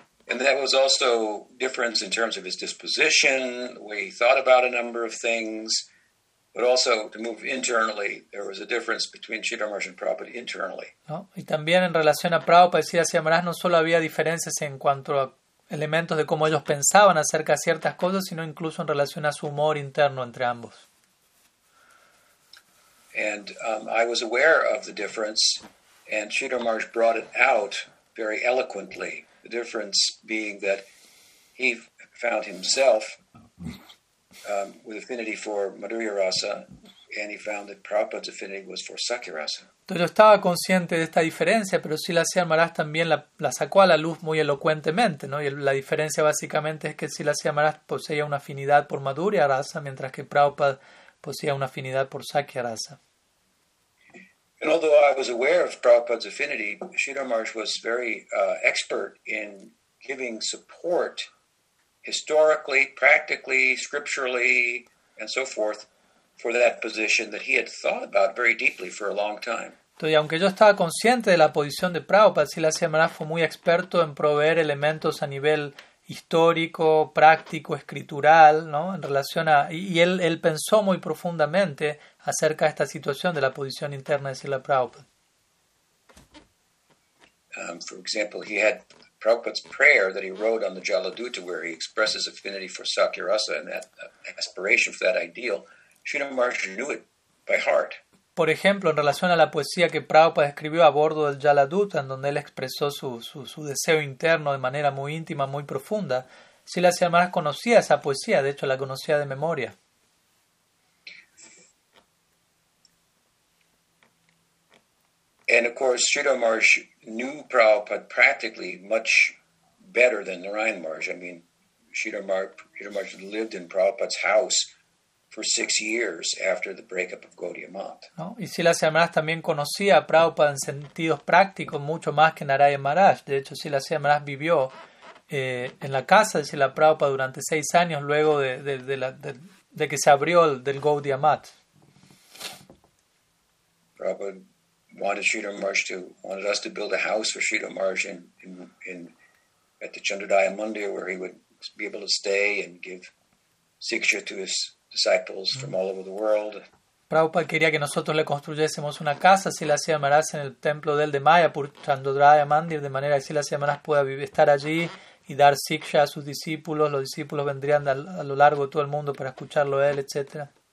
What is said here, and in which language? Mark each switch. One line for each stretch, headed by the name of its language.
English: And that was also difference in terms of his disposition, the way he thought about a number of things. But also to move internally, there was a difference between Sridhar Maharaj and Prabhupada internally.
Spanish: No, y también en relación a Prabhupada y Silasiel Maharaj no solo había diferencias en cuanto a elementos de cómo ellos pensaban acerca de ciertas cosas, sino incluso en relación a su humor interno entre ambos.
English: And I was aware of the difference, and Sridhar Maharaj brought it out very eloquently. The difference being that he found himself with affinity for Madhurya Rasa, and he found that Prabhupada's affinity was for Sakya Rasa.
Spanish: Entonces, yo estaba consciente de esta diferencia, pero Silasiel Maharaj también la sacó a la luz muy elocuentemente, ¿no? Y la diferencia básicamente es que Silasiel Maharaj poseía una afinidad por Madhurya Rasa, mientras que Prabhupada poseía una afinidad por Sakya Rasa.
English: And although I was aware of Prabhupada's affinity, Sridhar Maharaj was very expert in giving support historically, practically, scripturally, and so forth, for that position that he had thought about very deeply for a long time.
Spanish: Entonces, aunque yo estaba consciente de la posición de Prabhupada, Silasiel Maharaj fue muy experto en proveer elementos a nivel histórico, práctico, escritural, ¿no? En relación a, y él pensó muy profundamente acerca de esta situación de la posición interna de Sila Prabhupada.
English: For example, he had Prabhupada's prayer that he wrote on the Jaladutta, where he expresses affinity for Sakya Rasa and that aspiration for that ideal, Sridhar Maharaj knew it by heart.
Spanish: Por ejemplo, en relación a la poesía que Prabhupada escribió a bordo del Jaladutta, en donde él expresó su deseo interno de manera muy íntima, muy profunda, Silasiel Maharaj conocía esa poesía, de hecho la conocía de memoria.
English: And of course, Sridhar Maharaj knew Prabhupada practically much better than Narayan Maharaj. I mean, Sridhar Maharaj lived in Prabhupada's house for 6 years after the breakup of Gaudiya Math.
Spanish: ¿No? Y Silasiel Maharaj también conocía a Prabhupada en sentidos prácticos mucho más que Narayan Maharaj. De hecho, Silasiel Maharaj vivió en la casa de Sila Prabhupada durante 6 años luego de que se abrió del Gaudiya Math.
English: Wanted us to build a house for Sridhar Maharaj in at the Chandradaya Mandir, where he would be able to stay and give siksha to his disciples from all over the world.
Spanish: Prabhupada quería que nosotros le construyésemos una casa, Silasiel Maharaj, en el templo del de Mayapur, Chandradaya Mandir, de manera que Silasiel Maharaj pueda estar allí y dar siksha a sus discípulos. Los discípulos vendrían a lo largo de todo el mundo para escucharlo a él, etc.